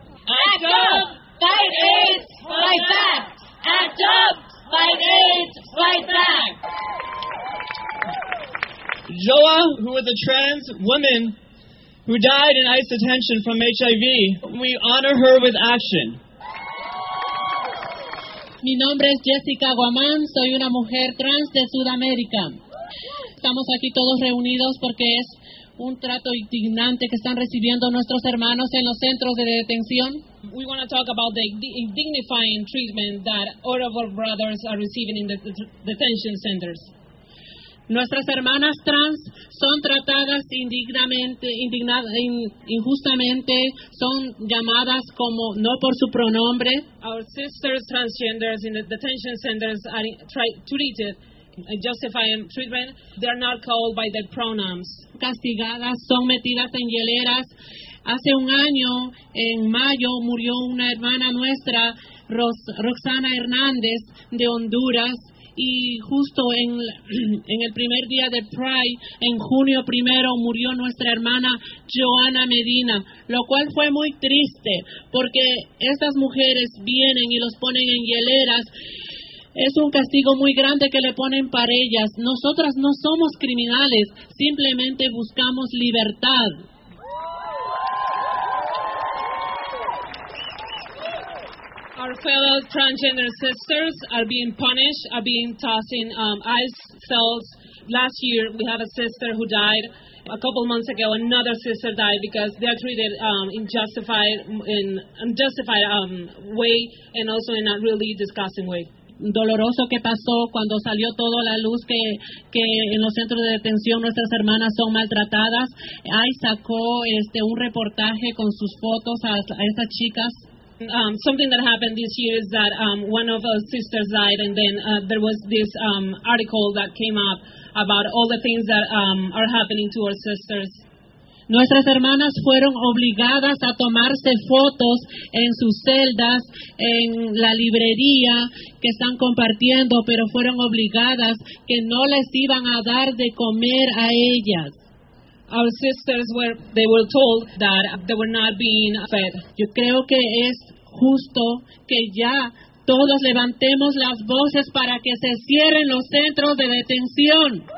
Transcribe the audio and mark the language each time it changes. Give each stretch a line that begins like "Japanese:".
English: ACT UP! Fight AIDS! Fight back! ACT UP! Fight AIDS! Fight back! Joa, who is a trans woman, who died in ICE detention from HIV. We honor her with action.
Spanish: Mi nombre es Jessica Guamán, soy una mujer trans de Sudamérica. Estamos aquí todos reunidos porque es un trato indignante que están recibiendo nuestros hermanos en los centros de detención.
English: We want to talk about the indignifying treatment that all of our brothers are receiving in the detention centers.
Spanish: Nuestras hermanas trans son tratadas indignamente, injustamente, son llamadas como no por su pronombre.
English: Our sisters transgenders in the detention centers are treated, justifying treatment, they are not called by their pronouns.
Spanish: Castigadas, son metidas en hieleras. Hace un año, en mayo, murió una hermana nuestra, Roxana Hernández, de Honduras. Y justo en el primer día de Pride, en junio primero, murió nuestra hermana Joana Medina, lo cual fue muy triste, porque estas mujeres vienen y los ponen en hieleras. Es un castigo muy grande que le ponen para ellas. Nosotras no somos criminales, simplemente buscamos libertad.
English: Our fellow transgender sisters are being punished, are being tossed in ICE cells. Last year, we had a sister who died. A couple months ago, another sister died because they are treated in an unjustified way and also in a really disgusting way.
Spanish: Doloroso que pasó cuando salió todo la luz que en los centros de detención nuestras hermanas son maltratadas. ICE sacó un reportaje con sus fotos a esas chicas.
English: Something that happened this year is that one of our sisters died, and then there was this article that came up about all the things that are happening to our sisters.
Spanish: Nuestras hermanas fueron obligadas a tomarse fotos en sus celdas, en la librería que están compartiendo, pero fueron obligadas que no les iban a dar de comer a ellas.
English: Our sisters were told that they were not being fed.
Spanish: Yo creo que es justo que ya todos levantemos las voces para que se cierren los centros de detención.